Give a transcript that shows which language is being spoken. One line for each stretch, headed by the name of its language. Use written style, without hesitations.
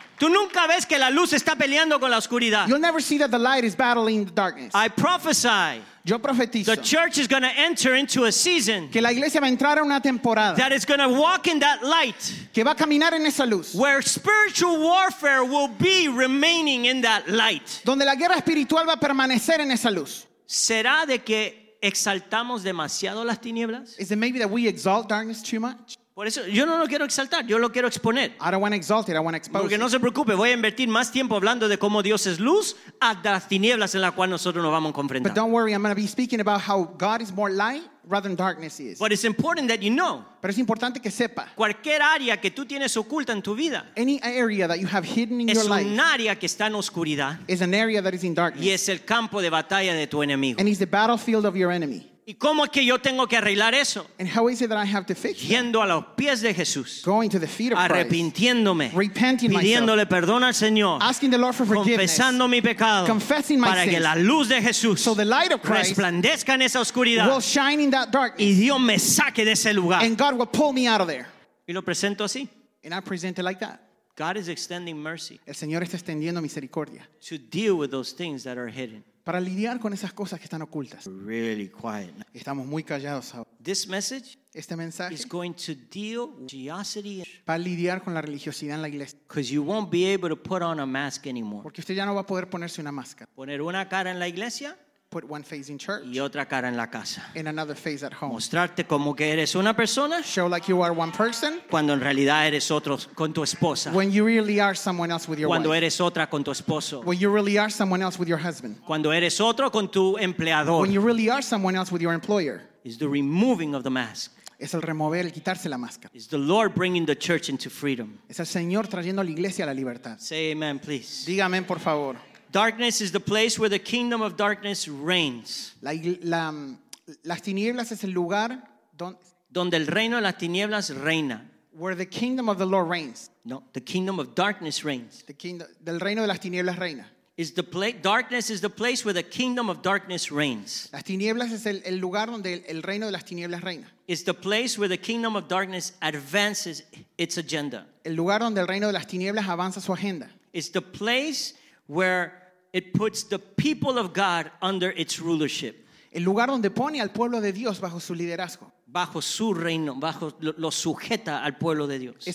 Spanish: Tú nunca ves que la luz está peleando con la oscuridad.
English: You'll never see that the light is battling the darkness. I prophesy.
Spanish: Yo profetizo.
English: The church is going to enter into a season.
Spanish: Que la iglesia va a entrar en una temporada.
English: That is going to walk in that light.
Spanish: Que va a caminar en esa luz.
English: Where spiritual warfare will be remaining in that light.
Spanish: Donde la guerra espiritual va a permanecer en esa luz. ¿Será de que exaltamos demasiado las tinieblas?
English: Is it maybe that we exalt darkness too much?
Spanish: Por eso yo no lo quiero exaltar, yo lo quiero exponer.
English: I don't want to exalt it, I want to expose.
Spanish: Porque no se preocupe, voy a invertir más tiempo hablando de cómo Dios es luz a las tinieblas en las cuales nosotros nos vamos a confrontar.
English: But don't worry, I'm going to be speaking about how God is more light rather than darkness is. But it's important that you know.
Spanish: Pero es importante que sepa. Cualquier área que tú tienes oculta en tu vida.
English: Any area that you have hidden in
Spanish: es
English: your life.
Spanish: Es un área que está en oscuridad.
English: Is an area that is in darkness.
Spanish: Y es el campo de batalla de tu enemigo.
English: And it's the battlefield of your enemy.
Spanish: ¿Y cómo es que yo tengo que arreglar eso?
English: And how is it that I have to fix it?
Spanish: Yendo a los pies de Jesús.
English: Going to the feet of Christ.
Spanish: Arrepintiéndome.
English: Repenting myself.
Spanish: Pidiéndole perdón al Señor.
English: Asking the Lord for forgiveness.
Spanish: Confesando mi pecado.
English: Confessing my sins.
Spanish: Para que la luz de Jesús.
English: So the light of Christ.
Spanish: Resplandezca en esa oscuridad.
English: Will shine in that darkness.
Spanish: Y Dios me saque de ese lugar.
English: And God will pull me out of there.
Spanish: Y lo presento así.
English: And I present it like that. God is extending mercy.
Spanish: El Señor está extendiendo misericordia.
English: To deal with those things that are hidden.
Spanish: Para lidiar con esas cosas que están ocultas.
English: Really quiet.
Spanish: Estamos muy callados ahora.
English: This message,
Spanish: este mensaje,
English: is going to deal with religiosity.
Spanish: Para lidiar con la religiosidad en la iglesia.
English: Because you won't be able to put on a mask anymore.
Spanish: Porque usted ya no va a poder ponerse una máscara. Poner una cara en la iglesia.
English: Put one face in church.
Spanish: Y otra cara en la casa.
English: And another face at home.
Spanish: Mostrarte como que eres una persona.
English: Show like you are one person.
Spanish: Cuando en realidad eres otro con tu esposa.
English: When you really are someone else with your
Spanish: cuando
English: wife.
Spanish: Cuando eres otra con tu esposo.
English: When you really are someone else with your husband.
Spanish: Cuando eres otro con tu empleador.
English: When you really are someone else with your employer. Is the removing of the mask.
Spanish: Es el remover, el quitarse la máscara.
English: Is the Lord bringing the church into freedom.
Spanish: Es el Señor trayendo a la iglesia a la libertad.
English: Say amen, please.
Spanish: Dígame, por favor.
English: Darkness is the place where the kingdom of darkness reigns.
Spanish: Las tinieblas es el lugar donde el reino de las tinieblas reina.
English: Where the kingdom of the Lord reigns. No, the kingdom of darkness reigns. The kingdom
Spanish: del reino de las tinieblas reina.
English: Is the place darkness is the place where the kingdom of darkness reigns.
Spanish: Las tinieblas es el lugar donde el reino de las tinieblas reina.
English: Is the place where the kingdom of darkness advances its agenda.
Spanish: El lugar donde el reino de las tinieblas avanza su agenda.
English: Is the place where it puts the people of God under its rulership.
Spanish: El lugar donde pone al pueblo de Dios bajo su liderazgo. Bajo su reino, bajo lo sujeta al pueblo de Dios.